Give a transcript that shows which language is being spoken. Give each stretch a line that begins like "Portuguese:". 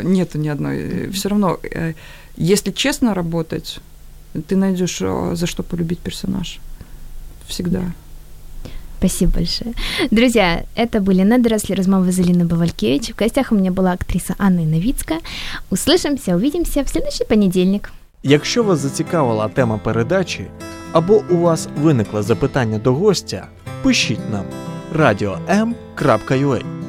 Russian: Нету ни одной. Все равно, если честно работать, ты найдешь за что полюбить персонаж. Всегда. Спасибо большое. Друзья, это были «Недоросли» Розмова Залина Бавалькевич. В гостях у меня была актриса Анна Новицька. Услышимся, увидимся в следующий понедельник.
Ukrainian: Якщо вас зацікавила тема передачі, або у вас виникло запитання до гостя, пишіть нам radio.m.ua.